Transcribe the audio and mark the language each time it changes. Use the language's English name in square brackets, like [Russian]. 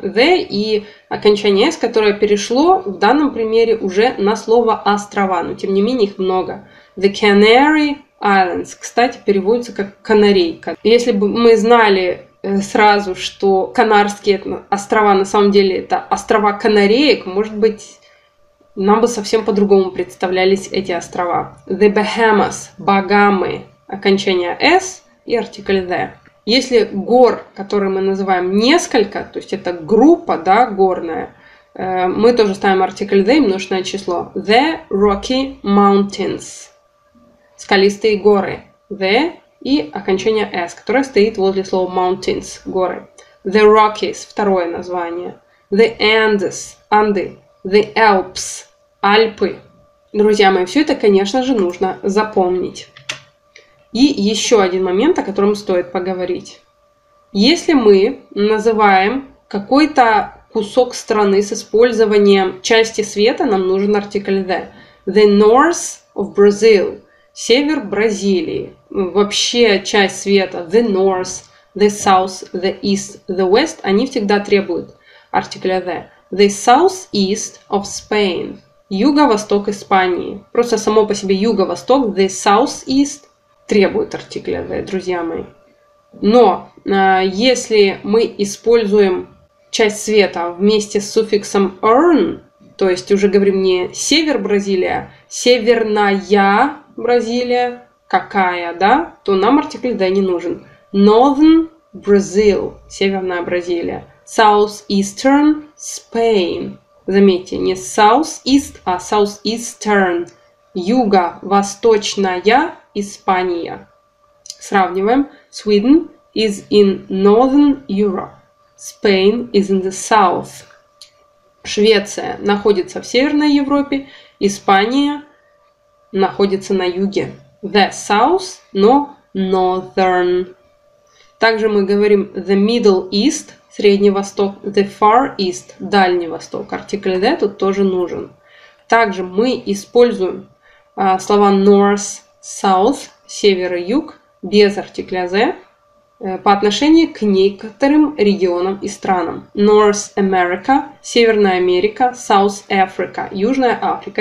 [Russian] The и окончание S, которое перешло в данном примере уже на слово острова, но тем не менее их много. The Canary Islands, кстати, переводится как канарейка. Если бы мы знали сразу, что Канарские острова на самом деле это острова канареек, может быть, нам бы совсем по-другому представлялись эти острова. The Bahamas, Багамы, окончание S и артикль the. Если гор, которые мы называем несколько, то есть это группа, да, горная, мы тоже ставим артикль the и множественное число. [English] The Rocky Mountains. [Russian] Скалистые горы. The и окончание S, которое стоит возле слова mountains, горы. The Rockies, второе название. [English] The Andes, Анды. The Alps, Альпы. [Russian] Друзья мои, все это, конечно же, нужно запомнить. И еще один момент, о котором стоит поговорить. Если мы называем какой-то кусок страны с использованием части света, нам нужен артикль the. [English] The north of Brazil. [Russian] Север Бразилии. Вообще часть света. [English] The north, the south, the east, the west. [Russian] Они всегда требуют артикля the. [English] The southeast of Spain. [Russian] Юго-восток Испании. Просто само по себе юго-восток. [English] The southeast. [Russian] Требует артикля the, друзья мои. Но если мы используем часть света вместе с суффиксом earn, то есть уже говорим не север Бразилия, северная Бразилия, какая, да, то нам артикль the не нужен. Northern Brazil, северная Бразилия. [English] Southeastern Spain. [Russian] Заметьте, не [English] southeast, а southeastern. [Russian] Юго-восточная Испания. Сравниваем. [English] Sweden is in northern Europe. Spain is in the south. [Russian] Швеция находится в Северной Европе. Испания находится на юге. [English] The south, но northern. [Russian] Также мы говорим the Middle East, Средний Восток. [English] The Far East, Дальний Восток. [Russian] Артикль the тут тоже нужен. Также мы используем слова north, south, север и юг, без артикля the, по отношению к некоторым регионам и странам. North America, Северная Америка, South Africa, Южная Африка.